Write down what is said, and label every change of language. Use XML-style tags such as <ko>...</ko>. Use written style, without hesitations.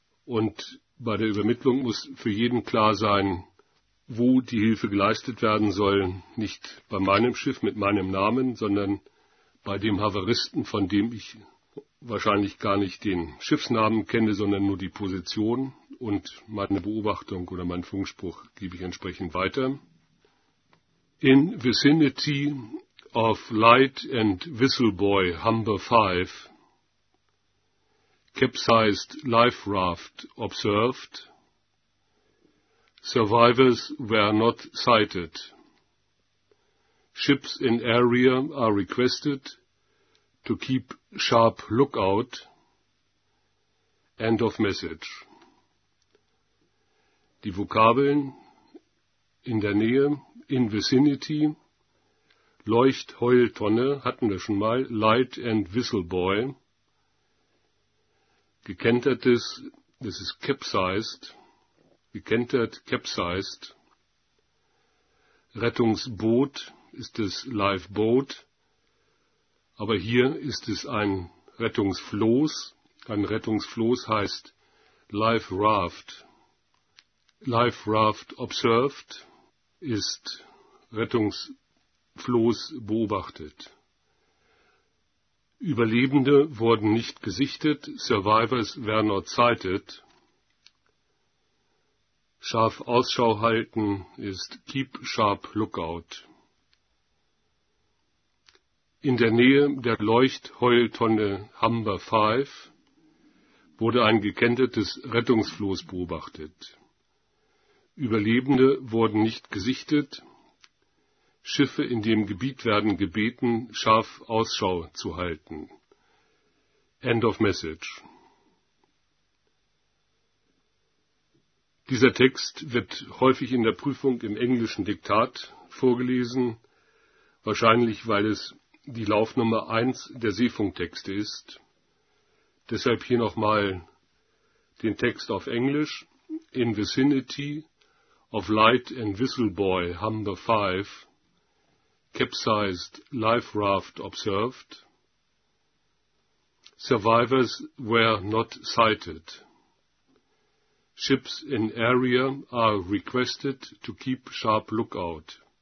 <de>Und bei der Übermittlung muss für jeden klar sein, wo die Hilfe geleistet werden soll. Nicht bei meinem Schiff mit meinem Namen, sondern bei dem Havaristen, von dem ich wahrscheinlich gar nicht den Schiffsnamen kenne, sondern nur die Position. Und meine Beobachtung oder meinen Funkspruch gebe ich entsprechend weiter.</de> <en>In vicinity of light and whistle buoy Humber 5, capsized life raft observed, survivors were not sighted, ships in area are requested to keep sharp lookout, end of message.</en> <de>Die Vokabeln in der Nähe,</de> <en>in vicinity,</en> <de>Leuchtheultonne, hatten wir schon mal,</de> <en>light and whistle buoy,</en> <de>gekentertes, das ist capsized, gekentert, capsized, Rettungsboot ist das lifeboat, aber hier ist es ein Rettungsfloß heißt life raft,</de> <en>life raft observed</en> <de>ist Rettungsfloß beobachtet. Überlebende wurden nicht gesichtet.</de> <en>Survivors were not sighted.</en> <de>Scharf Ausschau halten ist</de> <en>keep sharp lookout.</en> <de>In der Nähe der Leuchtheultonne Humber 5 wurde ein gekentertes Rettungsfloß beobachtet. Überlebende wurden nicht gesichtet. Schiffe in dem Gebiet werden gebeten, scharf Ausschau zu halten.</de> <en>End of message.</en> <de>Dieser Text wird häufig in der Prüfung im englischen Diktat vorgelesen, wahrscheinlich weil es die Laufnummer 1 der Seefunktexte ist. Deshalb hier nochmal den Text auf Englisch.</de> <en>In vicinity of Light and Whistle Boy Humber 5, capsized life raft observed. Survivors were not sighted. Ships in area are requested to keep sharp lookout.</en>